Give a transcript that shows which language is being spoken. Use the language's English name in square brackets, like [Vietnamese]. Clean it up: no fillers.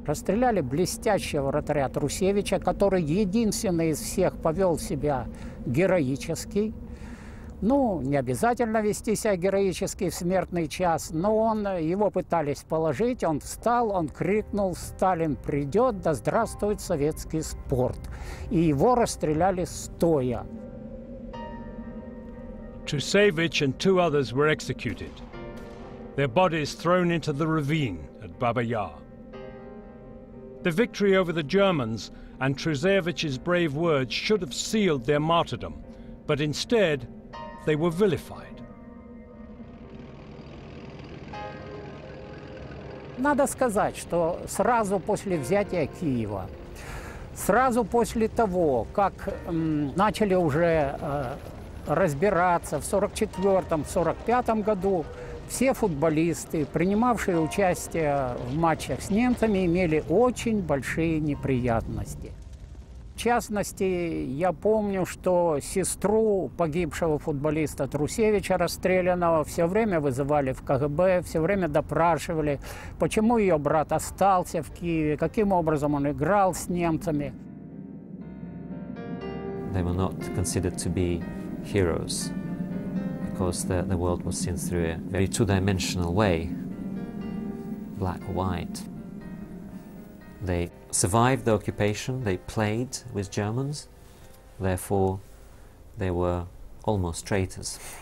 [Russian] Расстреляли блестящего вратаря Трусевича, который единственный из всех повел себя героически. Ну, не обязательно вести себя героически в смертный час, но его пытались положить, он встал, он крикнул: «Сталин придет, да здравствует советский спорт!» И его расстреляли стоя. [English] Trusevich and two others were executed, their bodies thrown into the ravine at Baba Yar. The victory over the Germans and Trusevich's brave words should have sealed their martyrdom, but instead, they were vilified. [Russian] Надо сказать, что сразу после взятия Киева, сразу после того, как начали уже разбираться в 44-45 году, все футболисты, принимавшие участие в матчах с немцами, имели очень большие неприятности. В частности, я помню, что сестру погибшего футболиста Трусевича, расстрелянного, все время вызывали в КГБ, все время допрашивали, почему ее брат остался в Киеве, каким образом он играл с немцами. [English] They were not considered to be heroes, because the world was seen through a very two-dimensional way, black or white. They survived the occupation, they played with Germans, therefore they were almost traitors.